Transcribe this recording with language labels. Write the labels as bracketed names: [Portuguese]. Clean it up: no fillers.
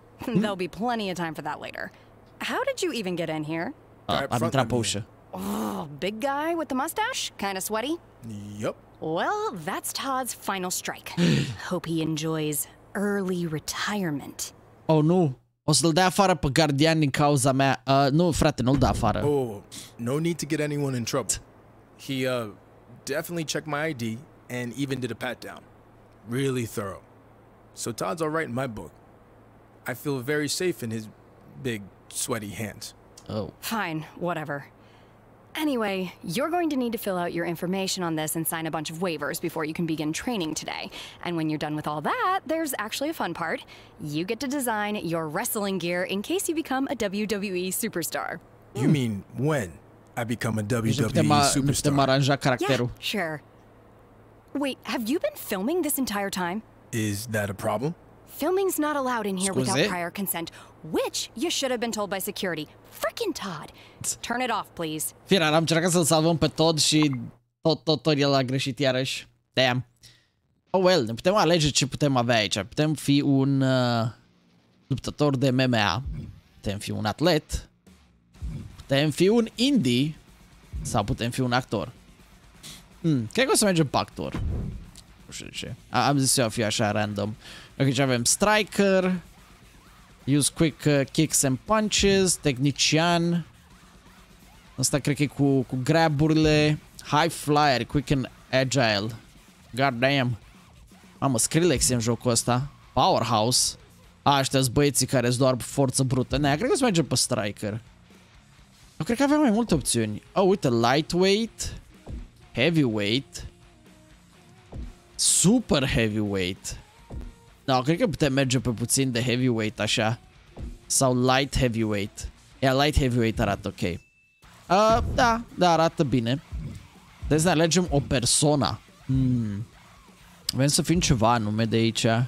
[English] There'll be plenty of time for that later. How did you even get in here? I'm Trapusha. Oh, big guy with the mustache? Kind of sweaty? Yep. Well, that's Todd's final strike. Hope he enjoys early retirement. Oh, no. [Romanian] O să-l dea afară pe gardian din cauza mea. Nu, frate, nu-l dea afară. [English] Oh, no need to get anyone in trouble. He definitely checked my ID and even did a pat down. Really thorough. So Todd's all right in my book. I feel very safe in his big, sweaty hands. Oh. Fine, whatever. Anyway, you're going to need to fill out your information on this and sign a bunch of waivers before you can begin training today. And when you're done with all that, there's actually a fun part. You get to design your wrestling gear in case you become a WWE superstar. You mean when I become a WWE superstar? Yeah, sure. Wait, have you been filming this entire time? Is that a problem? Filming's not allowed in here without prior consent, which you should have been told by security. Freaking Todd. Turn it off, please. [Romanian] Fira, am încercat să-l salvăm pe Todd și tot el a greșit iarăși. [English] Damn. Oh well, [Romanian] ne putem alege ce putem avea aici. Putem fi un luptător de MMA. Putem fi un atlet. Putem fi un indie. Sau putem fi un actor. Cred că o să mergem Pactor. Nu știu de ce. Am zis eu a fi așa random. Aici avem [English] Striker, use quick kicks and punches, Technician. [Romanian] Asta cred că e cu grab-urile. [English] High flyer, quick and agile. God damn. [Romanian] Mamă, Skrillex e în jocul ăsta. Powerhouse. Aștia-s băieții care-s doar forță brută. Nea, cred că o să mergem pe Striker. Eu cred că avem mai multe opțiuni. [English] Oh, [Romanian] uite, [English] lightweight, heavyweight, super heavyweight. [Romanian] No, cred că putem merge pe puțin de heavyweight, așa. Sau light heavyweight. Ia, yeah, light heavyweight arată ok. Da, arată bine. Deci ne alegem o persona. Vrem să fim ceva anume de aici.